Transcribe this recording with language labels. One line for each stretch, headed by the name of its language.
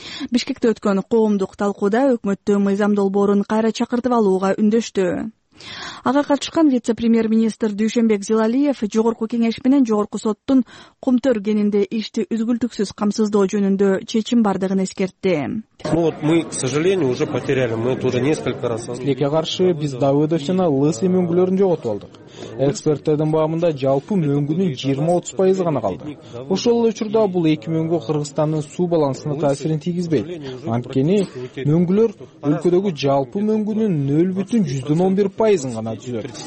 Kyrgyz: Бишкекте өткөн коомдук талкууда өкмөттү мыйзам долбоорун кайра чакыртып алууга үндөштү. Ага катышкан вице-премьер-министр Дүйшөнбек Зилалиев жогорку кеңеш менен жогорку соттун кумтөр кенинде ишти үзгүлтүксүз камсыздоо жөнүндө чечим бардыгын эскертти.
Russian: Ну вот мы, к сожалению, уже потеряли. Мы тоже несколько раз.
Kyrgyz: Силеге каршы биз Давыдов жана Лысый мөңгүлөрүн жоготуп алдык. Эксперттердин баамында жалпы мөңгүнүн 20-30% гана калды. Ошол эле учурда бул эки мөңгү Кыргызстандын суу балансына таасирин тийгизбейт. Анткени мөңгүлөр өлкөдөгү жалпы мөңгүнүн 0.11% гана түзөт.